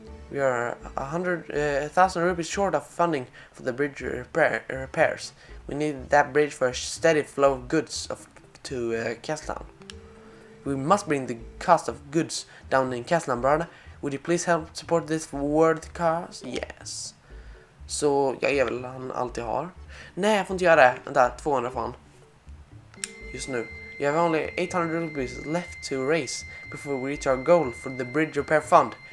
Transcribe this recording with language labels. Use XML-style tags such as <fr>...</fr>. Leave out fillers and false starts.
<en>We are 1,000 rupees short of funding for the bridge repairs. We need that bridge for a steady flow of goods to Castletown. We must bring the cost of goods down in Castletown, brother. Would you please help support this world cause? Yes.</en> <sv>Så jag ger väl han allt jag har. Nej, jag får inte göra det. Vänta, 200 fan. Just nu.</sv> <en>You have only 800 rupees left to raise before we reach our goal for the bridge repair fund.</en>